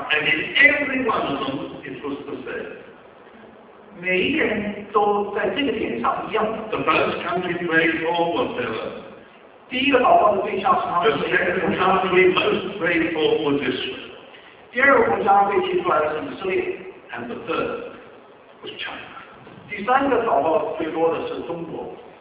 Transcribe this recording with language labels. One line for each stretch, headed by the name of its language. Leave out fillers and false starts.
English: And in every one of them, it was the same.
Chinese: 每一个人都在这个点上一样。
English: The first country to pray for was Israel.
Chinese: 第一个祷告的对象是他们。
English: The second country most prayed for was Israel.
Chinese: 第二个国家被提出来的是以色列。
English: And the third was China.
Chinese: 第三个祷告最多的是中国。